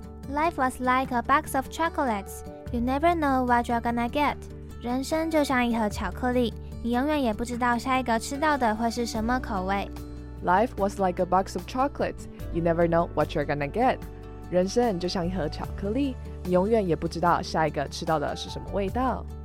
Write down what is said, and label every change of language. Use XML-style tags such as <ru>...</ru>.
<en>Life was like a box of chocolates， you never know what you're gonna get。</en> <zh>人生就像一盒巧克力，你永远也不知道下一个吃到的会是什么口味。</zh> <en>Life was like a box of chocolates， you never know what you're gonna get。</en> <zh>人生就像一盒巧克力，你永远也不知道下一个吃到的是什么味道。</zh>